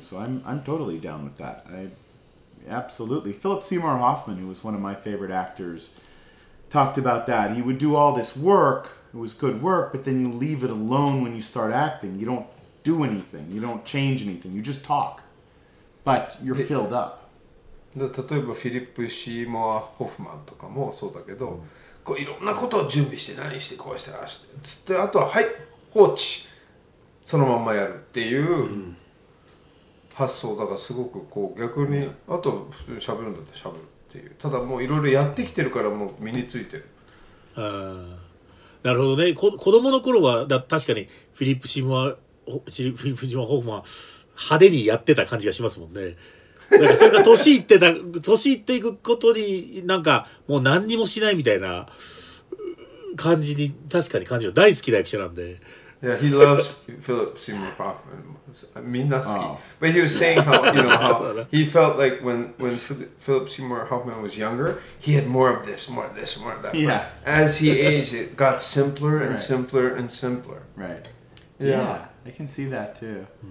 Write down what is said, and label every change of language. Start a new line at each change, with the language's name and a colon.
English: So I'm totally down with that. I absolutely. Philip Seymour Hoffman, who was one of my favorite actors, talked about that. He would do all this work, it was good work, but then you leave it alone when you start acting. You don't do anything, you don't change anything, you just talk. But you're filled up.
Japanese: で例えばフィリップ・シーモア・ホフマンとかもそうだけど、うん、こういろんなことを準備して何してこうしたらしてつって、あとははい放置そのまんまやるっていう発想だから、すごくこう逆に、うん、あと普通に喋るんだったら喋るっていう、ただもういろいろやってきてるからもう身についてる、あ、なるほどね、子供の頃はだ確かにフィリップ・シーモア・ホフマン派手にやってた感じがしますもんね、なんかそれが年いっていくことになんかもう何にもしないみたいな感じに確かに感じる、大好きな役者なんで。
English: Yeah, he loves Philip Seymour Hoffman Minaski. But he was saying how, you know, how he felt like when Philip Seymour Hoffman was younger, he had more of this, more of that. Yeah. As he aged, it got simpler and simpler and simpler. Right. Yeah. I can see that too.